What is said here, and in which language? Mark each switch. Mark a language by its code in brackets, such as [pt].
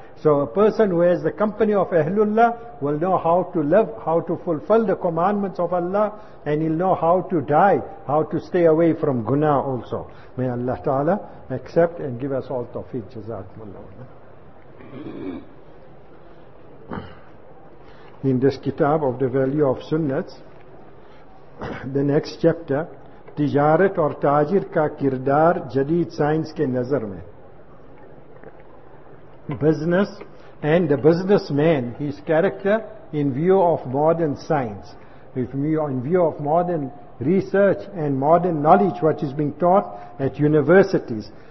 [en] So a person who has the company of Ahlullah will know how to live, how to fulfill the commandments of Allah, and he'll know how to die, how to stay away from guna also. May Allah Ta'ala accept and give us all tawfiq. Jazakumullah. In this kitab of the value of sunnats, the next chapter, [ur] تجارت اور تاجر کا کردار جدید science کے نظر میں. [en] Business and the businessman, his character in view of modern science, in view of modern research and modern knowledge which is being taught at universities.